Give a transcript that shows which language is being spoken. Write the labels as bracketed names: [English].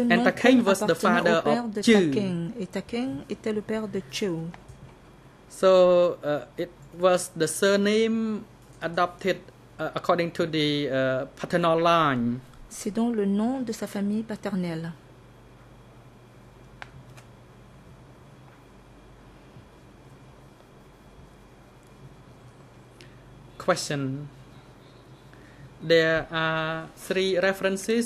[English] and Ta Kheng was the father of Chu. [French] Et Ta Kheng était le père de Chu. [English] So it was the surname adopted according to the paternal line. [French] C'est donc le nom de sa famille paternelle. [English] Question. There are three references